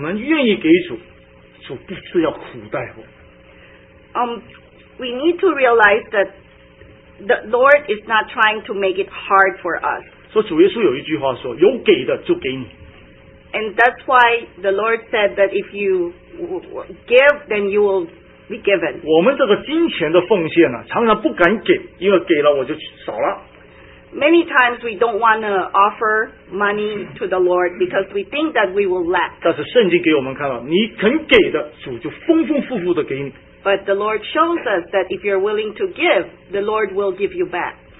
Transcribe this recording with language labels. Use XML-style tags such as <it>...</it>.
<zh>你要知道，圣经里面许多的原则，乃是说我们愿意给主，主必须要苦待我。</zh> <en>We need to realize that the Lord is not trying to make it hard for us.</en> <zh>说主耶稣有一句话说，有给的就给你。</zh> <en>And that's why the Lord said that if you give, then you will be given.</en> <zh>我们这个金钱的奉献啊，常常不敢给，因为给了我就少了。</zh> <en>Many times we don't want to offer money to the Lord because we think that we will lack.</en> <zh>但是圣经给我们看到，你肯给的，主就丰丰富富的给你。</zh> <en>But the Lord shows us that if you're willing to give, the Lord will give you back.</en>